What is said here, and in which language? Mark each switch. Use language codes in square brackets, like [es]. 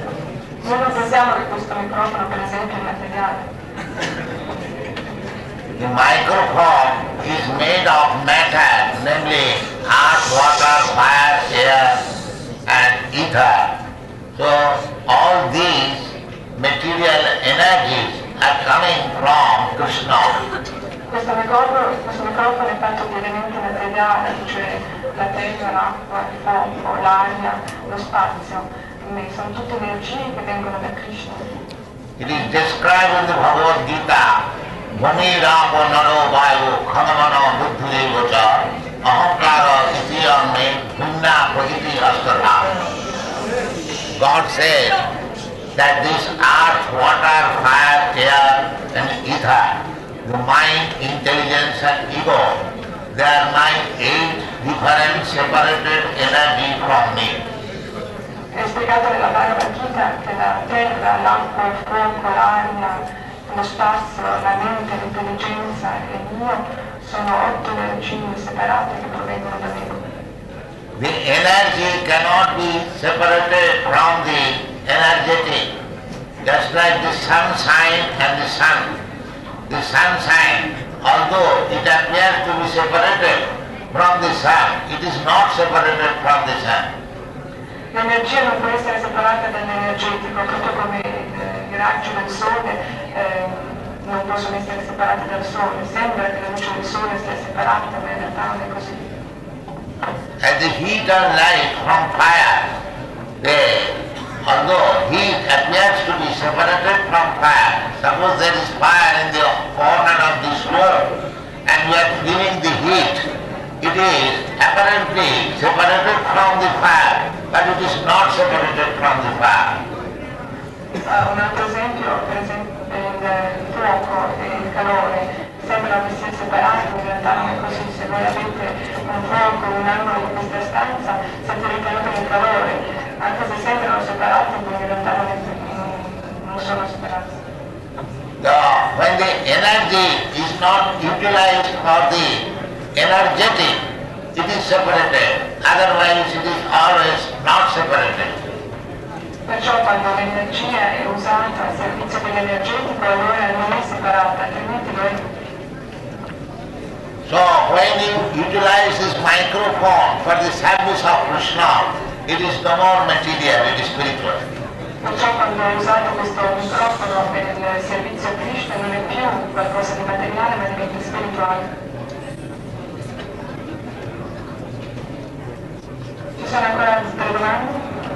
[it] Noi non pensiamo che questo microfono per esempio è materiale. [en] The microphone is made of matter, namely earth, water, fire, air, and ether. So all these material energies are coming from Krishna. [it] Questo microfono è fatto di elementi materiali, cioè la terra, l'acqua, il fuoco, l'aria, lo spazio. Sono tutte energie che vengono da Krishna. [en] It is described in the Bhagavad Gita. [sa] Bhumi rapo naro vayu khamamano buddhu devata ahamkara iti amme bhinna prakriti astara. [en] God said that this earth, water, fire, air and ether, the mind, intelligence and ego, they are my eight different separated energy from me. [it] È spiegato nella Bhagavad Gita che la terra, l'acqua, il fuoco, l'aria, lo spazio, la mente, l'intelligenza e io sono otto energie separate che provengono da me. [en] The energy cannot be separated from the energetic, just like the sunshine and the sun. The sunshine, although it appears to be separated from the sun, it is not separated from the sun. [it] L'energia non può essere separata dall'energetico, proprio come i raggi del sole non possono essere separati dal sole. Sembra che la luce del sole sia separata, ma in realtà non è così. [en] As the heat and light from fire, they, although heat appears to be separated from fire, suppose there is fire in the corner of this world and you are feeling the heat, it is apparently separated from the fire, but it is not separated from the fire. [it] Un altro esempio, per esempio, il fuoco e il calore. Sembra che sia separato, in realtà non è così. Se voi avete un fuoco in un angolo di questa stanza, siete ritenuti nel calore. Anche se sembrano separati, in realtà non sono separati. [en] No, when the energy is not utilized for the energetic, it is separated. Otherwise, it is always not separated. [it] Perciò quando l'energia è usata al servizio dell'energetico, allora non è separata, altrimenti lo è. [en] So when you utilize this microphone for the service of Krishna, it is no more material, it is spiritual. [it] Perciò quando hai usato questo microfono per il servizio a Krishna non è più qualcosa di materiale ma diventa spirituale. Ci sono ancora altre domande?